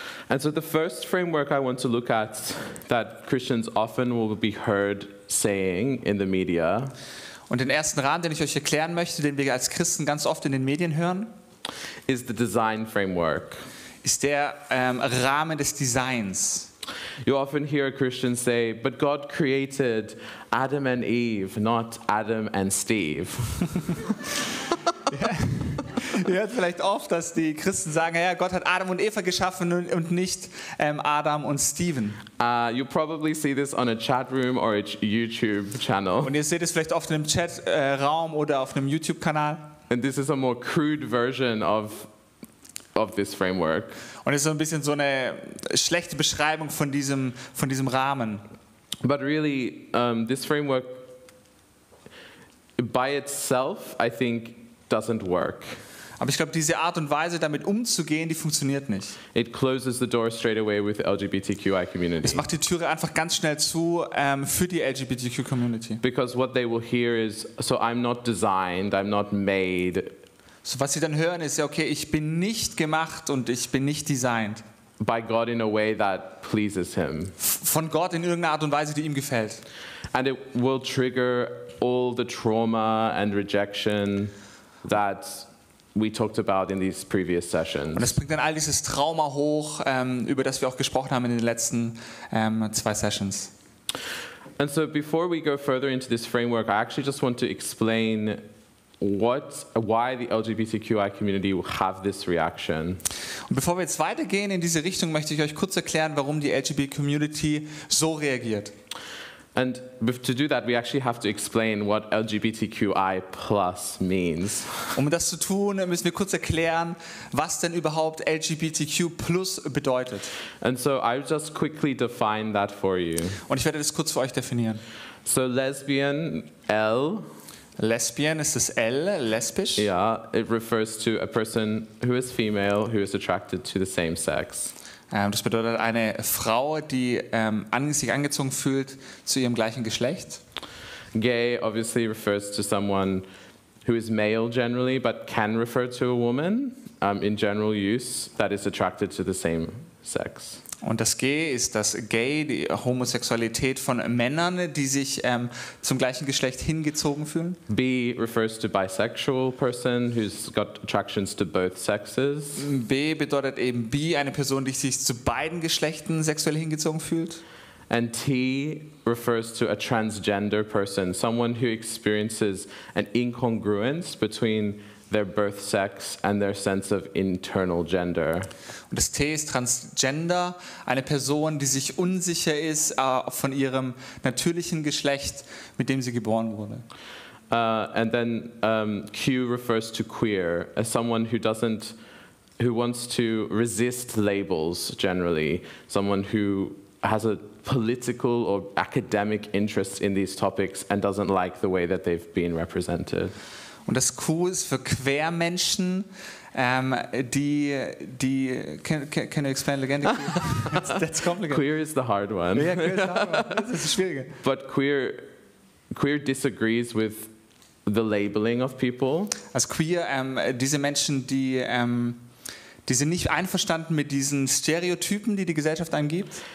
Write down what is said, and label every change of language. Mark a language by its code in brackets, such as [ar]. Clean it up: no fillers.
[en] And so the first framework I want to look at that Christians often will be heard saying in the media. [de] Und den ersten Rahmen, den ich euch erklären möchte, den wir als Christen ganz oft in den Medien hören, [en] is the design framework. [de] Ist der Rahmen des Designs. [en] You often hear a Christian say, but God created Adam and Eve, not Adam and Steve. [de] Ihr hört vielleicht oft, dass die Christen sagen, ja, Gott hat Adam und Eva geschaffen und nicht Adam und Steven. [en] You probably see this on a chat room or a YouTube channel. [de] Und ihr seht es vielleicht oft in einem Chatraum oder auf einem YouTube-Kanal. [en] And this is a more crude version of this framework. [de] Und es ist so ein bisschen so eine schlechte Beschreibung von diesem Rahmen. [en] But really, this framework by itself, I think, doesn't work. [de] Aber ich glaube, diese Art und Weise, damit umzugehen, die funktioniert nicht. [en] It closes the door straight away with the LGBTQI community. [de] Es macht die Türe einfach ganz schnell zu für die LGBTQ community. [en] Because what they will hear is, so I'm not designed, I'm not made. [de] So was sie dann hören ist, ja okay, ich bin nicht gemacht und ich bin nicht designed. [en] By God in a way that pleases him. [de] Von Gott in irgendeiner Art und Weise, die ihm gefällt. [en] And it will trigger all the trauma and rejection that we talked about in these previous sessions. [de] Und es bringt dann all dieses Trauma hoch, über das wir auch gesprochen haben in den letzten zwei Sessions. [en] And so before we go further into this framework, I actually just want to explain why the LGBTQI community will have this reaction. [de] Und bevor wir jetzt weitergehen in diese Richtung, möchte ich euch kurz erklären, warum die LGBTQI community so reagiert. [en] And to do that, we actually have to explain what LGBTQI plus means. [de] Um das zu tun, müssen wir kurz erklären, was denn überhaupt LGBTQ plus bedeutet. [en] And so I'll just quickly define that for you. [de] Und ich werde das kurz für euch definieren. [en] So lesbian, L. [de] Lesbian, ist das L, lesbisch? [en] Yeah, it refers to a person who is female, who is attracted to the same sex. [de] Das bedeutet eine Frau, die sich angezogen fühlt zu ihrem gleichen Geschlecht. [en] Gay obviously refers to someone who is male generally, but can refer to a woman in general use that is attracted to the same sex. [de] Und das G ist das Gay, die Homosexualität von Männern, die sich zum gleichen Geschlecht hingezogen fühlen. [en] B refers to bisexual person who's got attractions to both sexes. [de] B bedeutet eben B, eine Person, die sich zu beiden Geschlechten sexuell hingezogen fühlt. [en] And T refers to a transgender person, someone who experiences an incongruence between their birth sex and their sense of internal gender. [de] Und das T ist transgender, eine Person, die sich unsicher ist von ihrem natürlichen Geschlecht, mit dem sie geboren wurde. [en] And then Q refers to queer, as someone who wants to resist labels generally, someone who has a political or academic interest in these topics and doesn't like the way that they've been represented. [de] Und das Q ist für Quermenschen, die [en] can you explain it again? That's complicated. Queer is the hard one. Yeah, queer is the hard one. [de] Das Schwierige. [en] But queer disagrees with the labeling of people. [de] Also queer, diese Menschen, die sind nicht einverstanden mit diesen Stereotypen, die die Gesellschaft angibt.